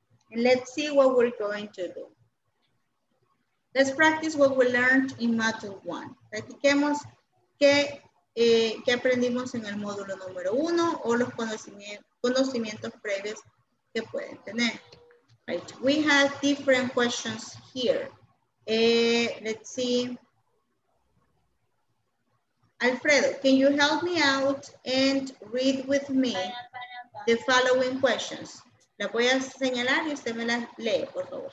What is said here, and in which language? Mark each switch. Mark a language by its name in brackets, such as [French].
[English] And let's see what we're going to do. Let's practice what we learned in module one. [Spanish] Practiquemos qué aprendimos en el módulo número uno o los conocimientos previos que pueden tener, right? [English] We have different questions here. Let's see. Alfredo, can you help me out and read with me the following questions? [Spanish] La voy a señalar y usted me la lee, por favor.